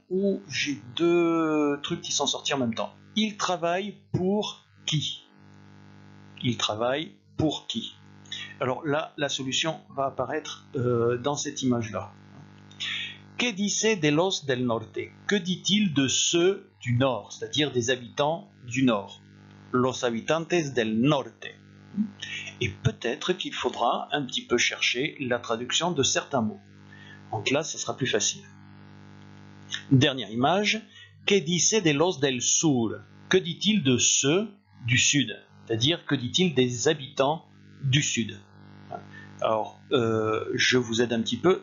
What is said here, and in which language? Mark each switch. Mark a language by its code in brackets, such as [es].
[fr] Ou j'ai deux trucs qui sont sortis en même temps. Il travaille pour qui? Il travaille pour qui? Alors là, la solution va apparaître dans cette image-là. [es] Que dice de los del norte? [fr] Que dit-il de ceux du nord, c'est-à-dire des habitants du nord? [es] Los habitantes del norte. [fr] Et peut-être qu'il faudra un petit peu chercher la traduction de certains mots. Donc là, ça sera plus facile. Dernière image. [es] Que dice de los del sur? [fr] Que dit-il de ceux du sud? C'est-à-dire, que dit-il des habitants du sud? Alors, je vous aide un petit peu.